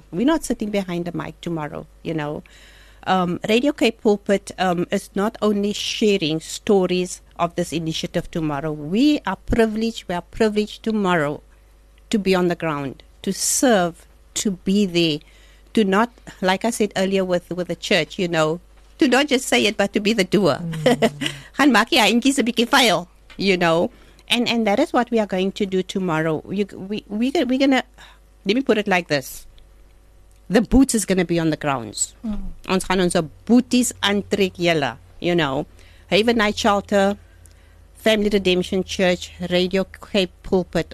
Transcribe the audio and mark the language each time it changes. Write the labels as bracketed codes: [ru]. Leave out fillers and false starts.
[en] We're not sitting behind the mic tomorrow, you know. Radio K Pulpit is not only sharing stories of this initiative tomorrow. We are privileged tomorrow to be on the ground, to serve, to be there, to not, like I said earlier with the church, you know, to not just say it, but to be the doer. [af] Gaan maak jy eintjies 'n bietjie vuil, [en] you know. And that is what we are going to do tomorrow. We're going to, let me put it like this. The boots is going to be on the grounds. [af] Mm. Ons gaan ons booties aantrek julle, [en] you know. Haven Night Shelter, Family Redemption Church, Radio Cape Pulpit.